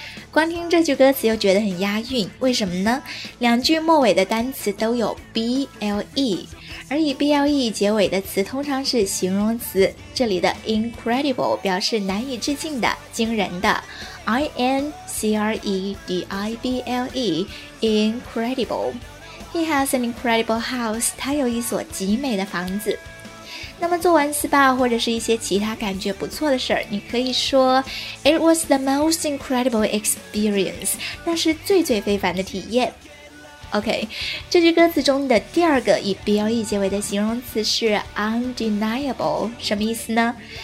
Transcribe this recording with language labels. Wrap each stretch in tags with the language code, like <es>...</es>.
<zh>光听这句歌词又觉得很押韵，为什么呢？两句末尾的单词都有 BLE。而以 BLE 结尾的词通常是形容词，这里的 incredible 表示难以置信的、惊人的。</zh> <en>INCREDIBLE, incredible. He has an incredible house,</en> <zh>他有一所极美的房子。那么做完 SPA 或者是一些其他感觉不错的事儿，你可以说</zh> <en>It was the most incredible experience，</en> <zh>那是最最非凡的体验。 OK， 这句歌词中的第二个以 BLE 结尾的形容词是 undeniable， 什么意思呢？</zh>